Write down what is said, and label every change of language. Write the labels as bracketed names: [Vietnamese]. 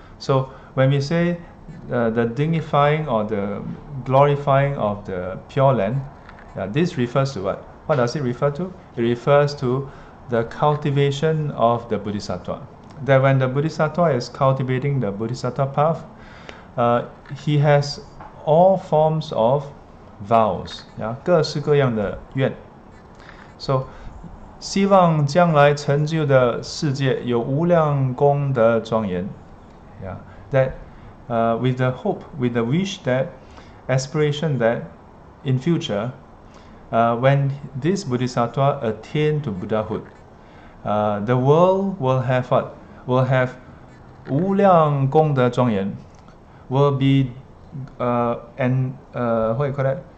[English] So when we say the dignifying or the glorifying of the Pure Land, yeah, this refers to what? What does it refer to? It refers to the cultivation of the Bodhisattva. That when the Bodhisattva is cultivating the Bodhisattva path, he has all forms of vows, yeah, [Chinese] 各式各样的愿. So, 希望将来成就的世界有无量功德庄严. [English] Yeah, that with the hope, with the wish, that aspiration, that in future, when this Bodhisattva attained to Buddhahood, The world will have what? Will have [Chinese] 无量功德庄严, [English] will be what you call that?